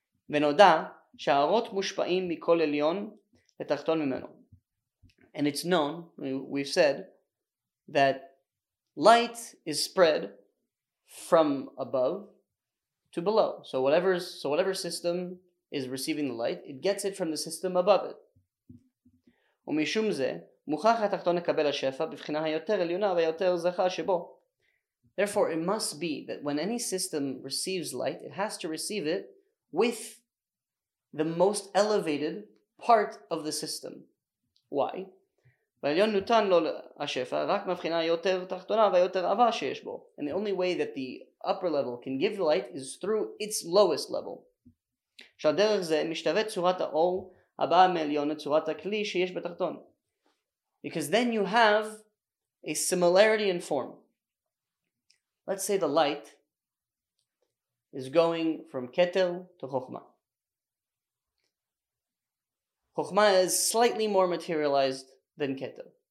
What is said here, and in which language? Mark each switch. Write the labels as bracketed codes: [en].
[he] Venoda sha'arot mushpa'im mikol elyon letachton mimeno. [en] And it's known, we've said, that light is spread from above to below. So whatever system is receiving the light, it gets it from the system above it. [he] ומשום זה, מוכרח התחתון לקבל השפע בבחינה היותר עליונה והיותר זכה שבו. [en] Therefore, it must be that when any system receives light, it has to receive it with the most elevated part of the system. Why? [he] ועליון נותן לו השפע רק מבחינה יותר תחתונה ויותר עבה שיש בו. [en] And the only way that the upper level can give light is through its lowest level. [he] שהדרך זה משתווה צורת האור הבאה מעליון לצורת הכלי שיש בתחתון. [en] Because then you have a similarity in form. Let's say the light is going from Keter to Chochmah. Chochmah is slightly more materialized than Keter.